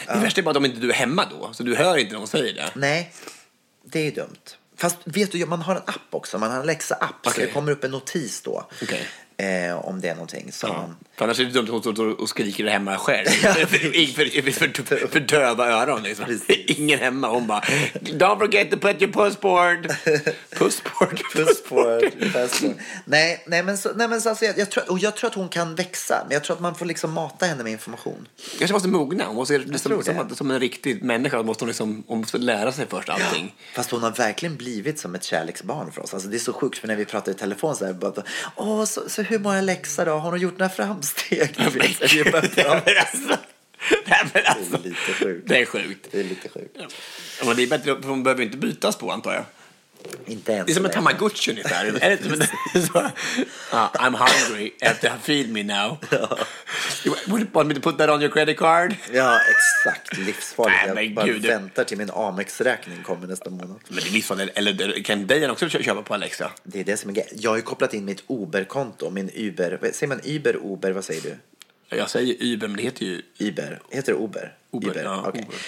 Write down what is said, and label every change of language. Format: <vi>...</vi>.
<sv>Det värsta är bara att om inte du är hemma då, så du hör inte någon säger det. Nej, det är dumt. Fast vet du, man har en app också. Man har en Alexa-app, okay. Så det kommer upp en notis då. Okej, okay. Om det är någonting så. För annars är det dumt att hon skriker hemma själv. för döva öron liksom. Ingen hemma. Hon bara,</sv> <en>don't forget to put your passport. Passport.</en> <sv>Nej, jag tror att hon kan växa. Men jag tror att man får liksom mata henne med information. Kanske måste mogna. Hon måste liksom, som en riktig människa måste hon måste lära sig först allting, ja. Fast hon har verkligen blivit som ett kärleksbarn för oss, alltså. Det är så sjukt, för när vi pratar i telefon så här, hur många läxor då? Har hon gjort några framsteg? Det är lite sjukt. Det är sjukt. Det är lite sjukt. Ja. Men det är bättre, hon behöver inte bytas på, antar jag. Inte ens. Det är som en Tamagotchi ungefär.</sv> <en>I'm hungry. You have to feed me now. Would you want me to put that on your credit card?</en> <sv>Ja, exakt. Livsfarligt. Jag bara väntar till min Amex-räkning kommer nästa månad. Men det är livsfarligt. Eller kan Dejan också köpa på Alexa? Det är det som är grejen. Jag har ju kopplat in mitt Uber-konto. Min Uber. Säger man Uber, Uber? Vad säger du? Jag säger Uber, men det heter ju Uber. Heter det Uber? Uber. Ja, okay.</sv>